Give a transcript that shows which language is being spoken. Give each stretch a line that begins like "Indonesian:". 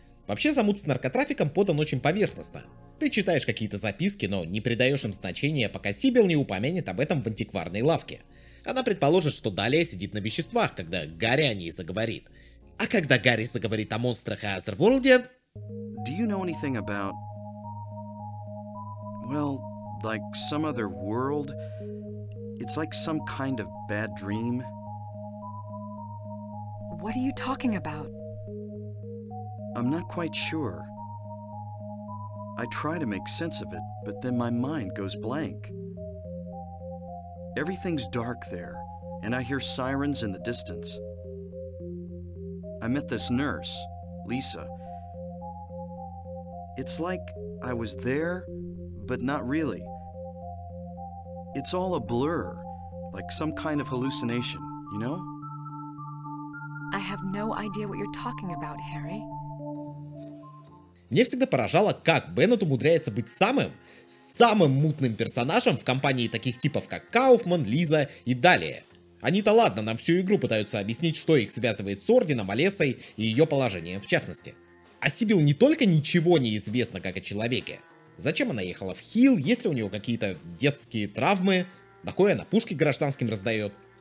Russian: Вообще, замут с наркотрафиком подан очень поверхностно. Ты читаешь какие-то записки, но не придаешь им значения, пока Сибил не упомянет об этом в антикварной лавке. Она предположит, что Далия сидит на веществах, когда Гарри о ней заговорит. А когда Гарри заговорит о монстрах и Азерворлде...
English: Do you know anything about... Well, like some other world? It's like some kind of bad dream. What are you talking about? I'm not quite sure. I try to make sense of it, but then my mind goes blank. Everything's dark there, and I hear sirens in the distance. I met this nurse, Lisa. It's like I was there, but not really. It's all a blur, like some kind of hallucination, you know? I have no idea what you're talking about, Harry.
Russian: Мне всегда поражало, как Беннет умудряется быть самым мутным персонажем в компании таких типов, как Кауфман, Лиза и далее. Они-то ладно, нам всю игру пытаются объяснить, что их связывает с Орденом, Алесой и ее положением в частности. А Сибил не только ничего не известно, как о человеке. Зачем она ехала в Хилл, есть ли у нее какие-то детские травмы, на кое она пушки гражданским раздает.